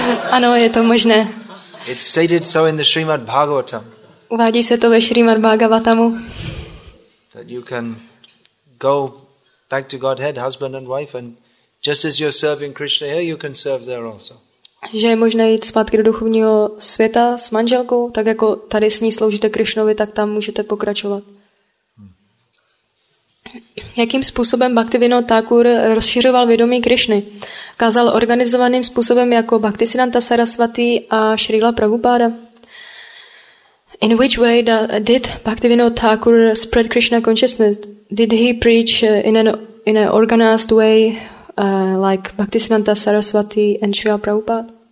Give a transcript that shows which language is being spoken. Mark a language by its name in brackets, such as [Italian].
[Czech] Ano, je to možné. [English] It's stated so in the Srimad Bhagavatam. [Czech] Uvádí se to ve Srimad Bhagavatamu. [English] That you can go back to Godhead, husband and wife, and just as you're serving Krishna here, you can serve there also. [Czech] Že je možné jít zpátky do duchovního světa s manželkou, tak jako tady s ní sloužíte Krishnovi, tak tam můžete pokračovat. Jakým způsobem Bhaktivinoda Thakur rozšiřoval vědomí Krišny? Kázal organizovaným způsobem jako Bhaktisiddhanta Sarasvati a Srila Prabhupada? [English] In which way did Bhaktivinoda Thakur spread Krishna consciousness? Did he preach in an organized way like Bhaktisiddhanta Sarasvati and Srila Prabhupada?